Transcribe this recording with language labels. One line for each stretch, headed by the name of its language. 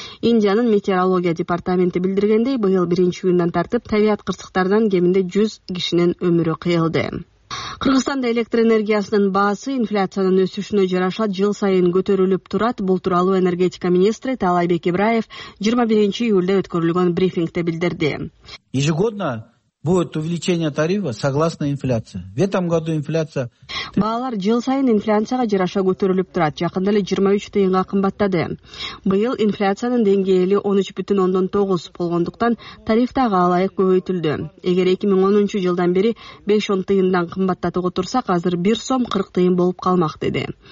Kyrgyz: Индиянын метеорология департаменти билдиргендей, быйыл 1-июндан тартып табият кырсыктардан кеминде 100 кишинин өмүрү кыйылды. Кыргызстанда электр энергиясынын баасы инфляциянын өсүшүнө жараша жыл сайын көтөрүлүп турат. Бул тууралуу энергетика министри Талайбек Ибраев 21-июлда өткөрүлгөн брифингде билдирди.
Russian: Ежегодно будет увеличение тарифа согласно инфляции. В этом году инфляция.
Kyrgyz: Баалар жыл сайын инфляцияга жараша көтөрүлүп турат. Жакында эле 23 тыйынга кымбаттады. Быйыл инфляциянын деңгээли 13.9 болгондуктан тариф дагы алайык көбөйтүлдү. Эгер 2010-жылдан бери 5-10 тыйындан кымбаттатып отурсак, азыр 1 сом 40 тыйын болуп калмак, деди.